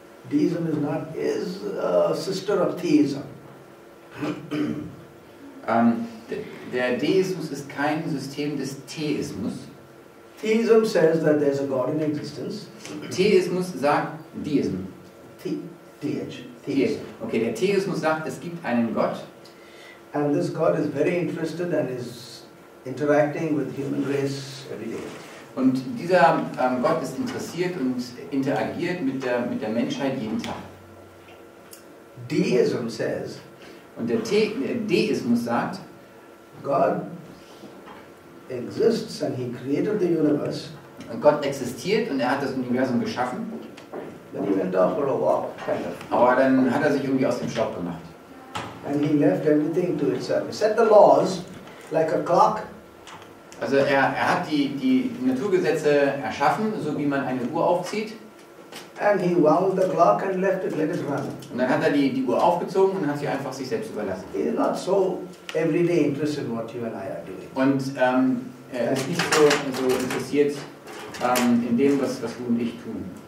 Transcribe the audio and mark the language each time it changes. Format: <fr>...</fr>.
<en>Deism is a sister of theism.</en> <de>Der Deismus ist kein System des Theismus.</de> <en>Theism says that there's a God in existence.</en> <de>Theismus sagt Deism.</de> <en>Theism.</en> <de>Okay, der Theismus sagt, es gibt einen Gott.</de> <en>And this God is very interested and is interacting with human race every day.</en> <de>Und dieser Gott ist interessiert und interagiert mit der Menschheit jeden Tag.</de> <en>Deism says.</en> <de>Und der Deismus sagt,</de> <en>God exists and he created the universe.</en> <de>Und Gott existiert und er hat das Universum geschaffen.</de> <en>Then he went off for a walk, kind of.</en> <de>Aber dann hat er sich irgendwie aus dem Staub gemacht.</de> <en>And he left everything to itself. He set the laws like a clock.</en> <de>Also er hat die Naturgesetze erschaffen, so wie man eine Uhr aufzieht.</de> <en>And he wound the clock and left it, let it run.</en> <de>Und dann hat er die Uhr aufgezogen und hat sie einfach sich selbst überlassen.</de> <en>He is not so every day interested in what you and I are doing.</en> <de>Und er ist nicht so interessiert in dem, was du und ich tun.</de>